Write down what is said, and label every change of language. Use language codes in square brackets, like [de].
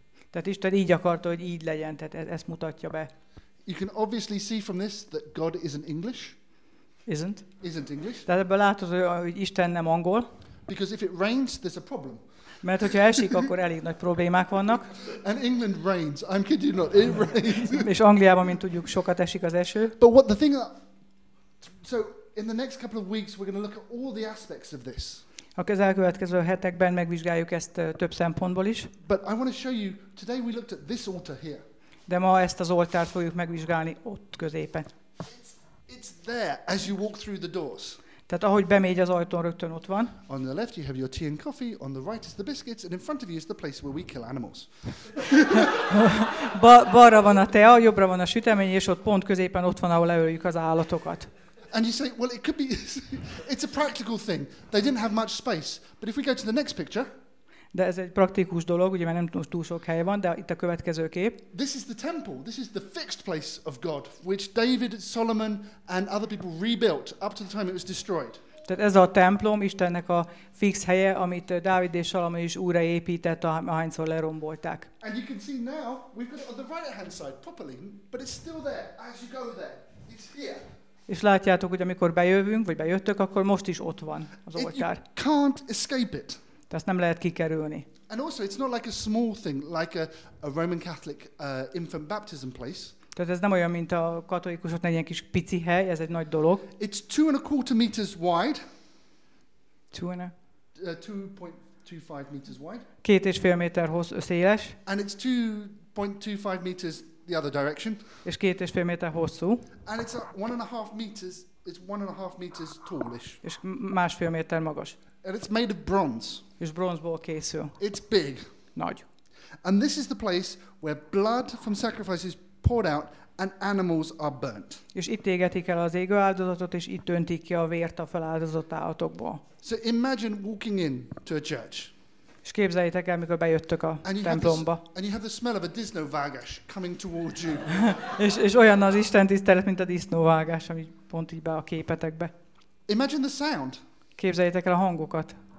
[hu] Tehát Isten így akarta, hogy így legyen, tehát ezt mutatja be. [en] You can obviously see from this that God isn't English. Isn't English. [hu] Tehát ebből látod, hogy Isten nem angol. [en] Because if it rains, there's a problem. [hu] Mert hogyha esik, akkor elég nagy problémák vannak. [en] And England rains. I'm kidding you not. It rains. [hu] És Angliában, mint tudjuk, sokat esik az eső. [en] But what the thing that... So in the next couple of weeks, we're going to look at all the aspects of this. [hu] A elkövetkező hetekben megvizsgáljuk ezt több szempontból is. [en] But I want to show you, today we looked at this altar here. [hu] De ma ezt az oltárt fogjuk megvizsgálni ott középen. [en] It's there as you walk through the doors. [hu] Tehát ahogy bemegy az ajtón, rögtön ott van. [en] On the left you have your tea and coffee, on the right is the biscuits, and in front of you is the place where we kill animals. [hu] balra van a tea, jobbra van a sütemény, és ott pont középen ott van, ahol leöljük az állatokat. [en] And you say, well, it could be, it's a practical thing. They didn't have much space. But if we go to the next picture. [hu] De ez egy praktikus dolog, ugye, mert nem túl sok hely van, de itt a következő kép. [en] This is the temple. This is the fixed place of God, which David, Solomon and other people rebuilt up to the time it was destroyed. [hu] Tehát ez a templom, Istennek a fix helye, amit Dávid és Salamon is újraépített, ahányszor lerombolták. [en] And you can see now, we've got it on the right-hand side properly, but it's still there as you go there. It's here. [hu] És látjátok, hogy amikor bejövünk, vagy bejöttök, akkor most is ott van az oltár. [en] You can't escape it. [hu] Tehát nem lehet kikerülni. [en] And also it's not like a small thing, like a Roman Catholic infant baptism place. [hu] Tehát ez nem olyan, mint a katolikusoknak egy kis pici hely, ez egy nagy dolog. [en] It's 2.25 meters wide. 2.25 meters wide. [hu] 2.5 méter széles. [en] And it's 2.25 meters the other direction. [hu] És 2.5 méter hosszú. [en] And it's 1.5 meters. It's 1.5 meters tallish. [hu] És másfél méter magas. [en] And it's made of bronze. [hu] És bronzból készül. [en] It's big. [hu] Nagy. [en] And this is the place where blood from sacrifices poured out and animals are burnt. [hu] És itt égetik el az égő áldozatot, és itt öntik ki a vért a feláldozott állatokból. [en] So imagine walking in to a church. [hu] És képzeljétek el, mikor bejöttök a templomba. [en] And you have the smell of a disznóvágás coming towards you. [hu] És olyan az Isten tisztelet, mint a disznóvágás, ami pont így be a képetekbe. [en] Imagine the sound. [hu] Képzeljétek el a hangokat.